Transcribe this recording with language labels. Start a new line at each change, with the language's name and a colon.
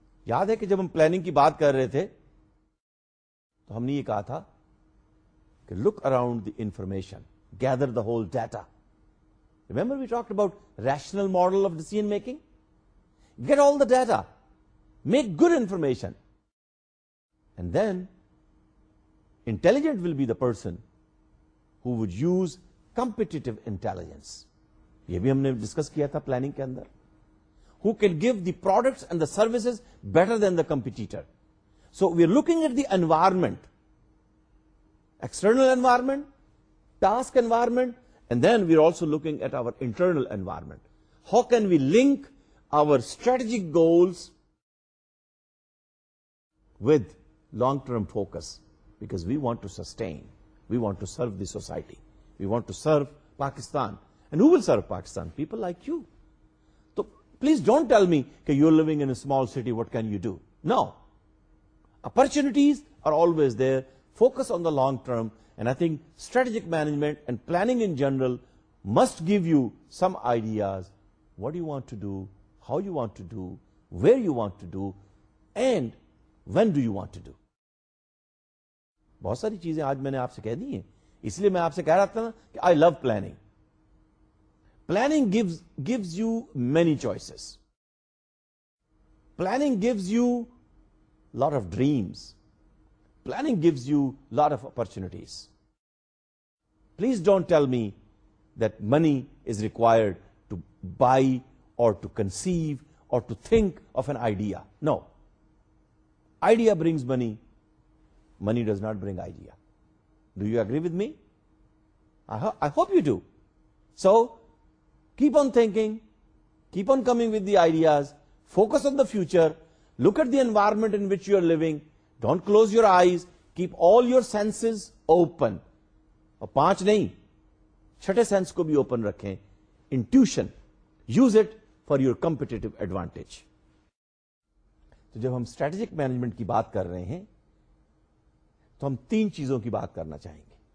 Urdu: یاد ہے کہ جب ہم پلاننگ کی بات کر رہے تھے تو ہم نے یہ کہا تھا کہ
English: look around the information gather the whole data remember we talk about rational model of decision making get all the data make good information and then intelligent will be the person who would use competitive intelligence
Urdu: یہ بھی ہم نے discuss کیا تھا planning کے اندر
English: who can give the products and the services better than the competitor. So we are looking at the environment, external environment, task environment, and then we are also looking at our internal environment. How can we link our strategic goals with long-term focus? Because we want to sustain, we want to serve the society, we want to serve Pakistan. And who will serve Pakistan? People like you. Please don't tell me that you're living in a small city, what can you do? No. Opportunities are always there. Focus on the long term. And I think strategic management and planning in general must give you some ideas, what do you want to do, how you want to do, where you want to do, and when do you want to do.
Urdu: بہت ساری چیزیں آج میں نے آپ سے کہہ دی ہیں, اس لیے میں آپ سے کہہ رہا تھا نا کہ
English: I love planning. Planning gives you many choices. Planning gives you a lot of dreams. Planning gives you a lot of opportunities. Please don't tell me that money is required to buy or to conceive or to think of an idea. No. Idea brings money. Money does not bring idea. Do you agree with me? I hope you do. So, keep on thinking. Keep on coming with the ideas. Focus on the future. Look at the environment in which you are living. Don't close your eyes. Keep all your senses open.
Urdu: اور پانچ نہیں, چھٹے sense کو بھی open رکھیں.
English: Intuition. Use it for your competitive advantage.
Urdu: تو جب ہم strategic management کی بات کر رہے ہیں تو ہم تین چیزوں کی بات کرنا چاہیں گے.